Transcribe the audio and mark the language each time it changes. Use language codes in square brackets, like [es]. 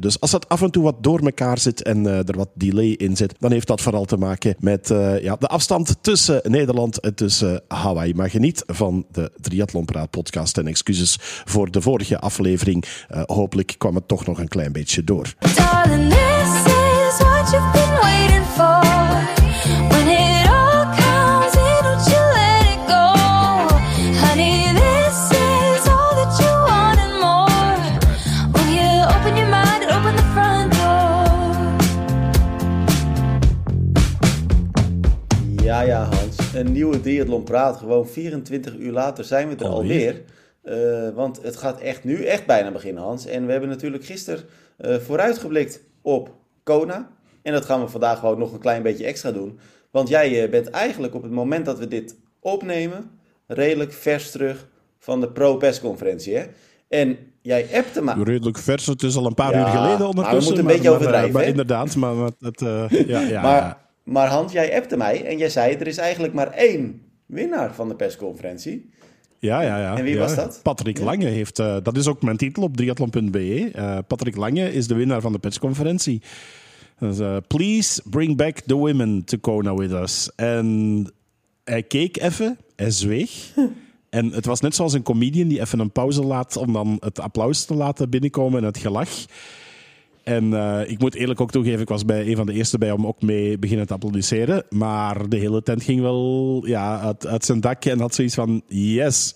[nl] Dus als dat af en toe wat door elkaar zit en er wat delay in zit, dan heeft dat vooral te maken met de afstand tussen Nederland en tussen Hawaii. Maar geniet van de Triathlon Praat podcast en excuses voor de vorige aflevering. Hopelijk kwam het toch nog een klein beetje door. [en] Darling, this is what you've been waiting for. When it all comes in, don't you let it go. Honey, this is all that you want and more. Will you open your mind and open the front door? [nl] Ja, ja, Hans. Een nieuwe Triathlon Praat. Gewoon 24 uur later zijn we er alweer. Want het gaat echt nu echt bijna beginnen, Hans. En we hebben natuurlijk gisteren vooruitgeblikt op Kona. En dat gaan we vandaag gewoon nog een klein beetje extra doen. Want jij bent eigenlijk op het moment dat we dit opnemen redelijk vers terug van de ProPES-conferentie, hè? En jij appte maar... Redelijk vers, het is al een paar uur geleden ondertussen. Maar we moeten een beetje overdrijven, maar inderdaad, maar het... Maar Hans, jij appte mij en jij zei, er is eigenlijk maar één winnaar van de persconferentie. Ja, ja, ja. En wie was dat? Patrick Lange heeft... dat is ook mijn titel op triathlon.be. Patrick Lange is de winnaar van de persconferentie. [en] Please bring back the women to Kona with us. [nl] En hij keek even, hij zweeg. En het was net zoals een comedian die even een pauze laat om dan het applaus te laten binnenkomen en het gelach. En ik moet eerlijk ook toegeven, ik was bij een van de eerste bij om ook mee beginnen te applaudisseren. Maar de hele tent ging wel uit zijn dakje en had zoiets van yes.